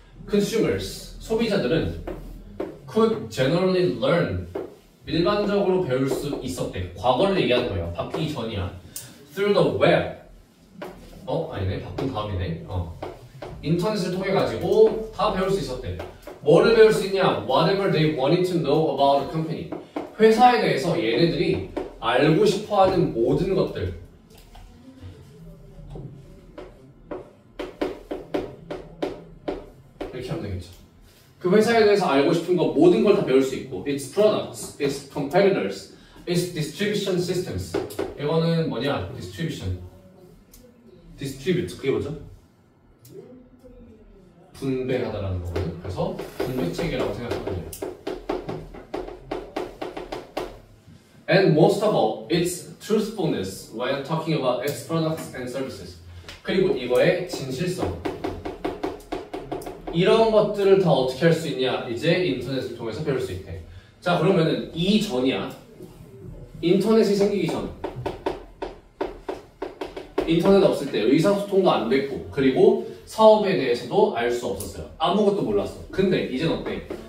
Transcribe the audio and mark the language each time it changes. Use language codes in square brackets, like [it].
[en] Consumers, [ko] 소비자들은 [en] could generally learn [ko] 일반적으로 배울 수 있었대. 과거를 얘기하는 거예요. 바뀌기 전이야. [en] Through the web. [ko] 어? 아니네. 바뀐 다음이네. 어. 인터넷을 통해 가지고 다 배울 수 있었대. 뭐를 배울 수 있냐? [en] Whatever they wanted to know about the company. [ko] 회사에 대해서 얘네들이 알고 싶어하는 모든 것들. 이렇게 하면 되겠죠. 그 회사에 대해서 알고 싶은 거 모든 걸 다 배울 수 있고 [en] Its products, its competitors, its distribution systems. [ko] 이거는 뭐냐? Distribution. Distribute. 그게 뭐죠? 분배하다라는 거거든. 그래서 분배체계라고 생각하면 돼요. [en] And most of all, its truthfulness while talking about its products and services. [ko] 그리고 이거의 진실성. 이런 것들을 다 어떻게 할 수 있냐? 이제 인터넷을 통해서 배울 수 있대. 자, 그러면은 이 전이야. 인터넷이 생기기 전. 인터넷 없을 때 의사소통도 안 됐고 그리고 사업에 대해서도 알 수 없었어요. 아무것도 몰랐어. 근데 이제는 어때?